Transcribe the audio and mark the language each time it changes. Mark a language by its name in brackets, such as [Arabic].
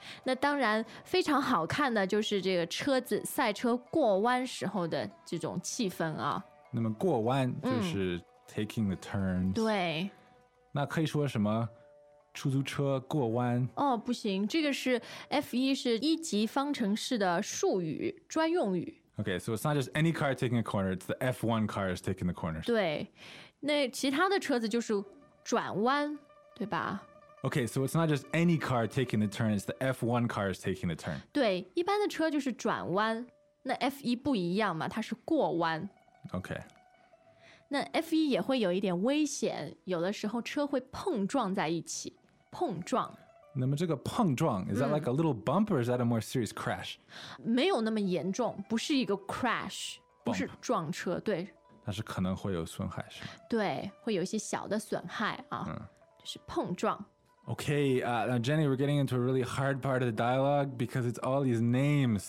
[Chinese] 那当然，非常好看的就是这个车子赛车过弯时候的这种气氛啊。那么过弯就是 taking the turns. 对。那可以说什么出租车过弯哦，不行，这个是 F1 是一级方程式的术语专用语。 [English] OK, so it's not just any car taking a corner, it's the F1 car is taking the corner. [Chinese] 对，那其他的车子就是转弯，对吧？ [English] OK, so it's not just any car taking the turn, it's the F1 car is taking the turn. [Chinese] 对，一般的车就是转弯，那 F1 不一样嘛，它是过弯。 [English] OK, [Chinese] 那 F1 也会有一点危险，有的时候车会碰撞在一起，碰撞。那么这个碰撞 [English] is that like a little bump or is that a more serious crash? [Chinese] 没有那么严重，不是一个 crash, 不是撞车，对。但是可能会有损害，是吗？对，会有一些小的损害啊，就是碰撞。 [English] Okay, now Jenny, we're getting into a really hard part of the dialogue because it's all these names.